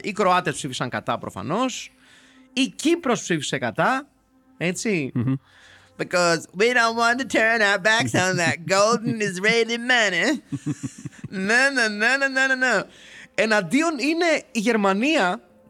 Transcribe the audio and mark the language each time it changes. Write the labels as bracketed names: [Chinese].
[Greek] Οι Κροάτες ψήφισαν κατά προφανώς. Η Κύπρος ψήφισε κατά. Έτσι. [English] Because we don't want to turn our backs on that golden Israeli money. [Greek] Ναι. Εναντίον είναι η Γερμανία.